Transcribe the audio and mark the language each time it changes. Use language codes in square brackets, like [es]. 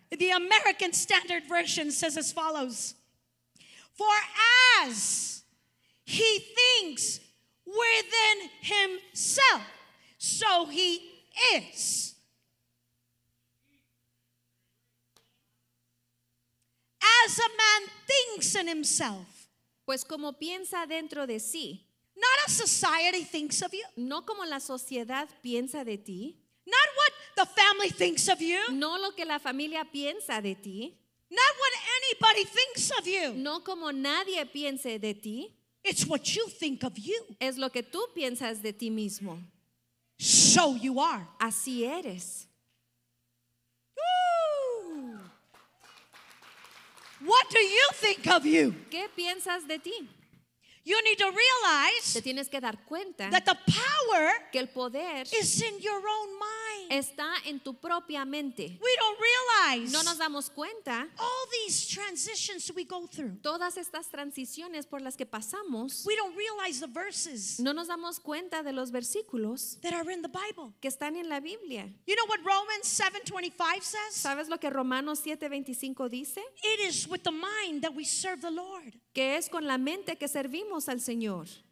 [en] The American Standard Version says as follows: For as he thinks within himself, so he is. As a man thinks in himself, [es] pues como piensa dentro de sí, [en] not as society thinks of you, [es] no como la sociedad piensa de ti, [en] not what the family thinks of you, [es] no lo que la familia piensa de ti, [en] not what anybody thinks of you, [es] no como nadie piense de ti. [en] It's what you think of you. [es] Es lo que tú piensas de ti mismo. [en] So you are. [es] Así eres. Woo! [en] What do you think of you? [es] ¿Qué piensas de ti? [en] You need to realize [es] te tienes que dar cuenta [en] that the power [es] que el poder [en] is in your own mind. [es] Está en tu propia mente. [en] We don't realize [es] no nos damos cuenta [en] all these transitions we go through. [es] Todas estas transiciones por las que pasamos. [en] We don't realize the verses [es] no nos damos cuenta de los versículos [en] that are in the Bible. [es] Que están en la Biblia. [en] You know what Romans 7:25 says? [es] ¿Sabes lo que Romanos 7:25 dice? [en] It is with the mind that we serve the Lord. [es] Que es con la mente que servimos al Señor.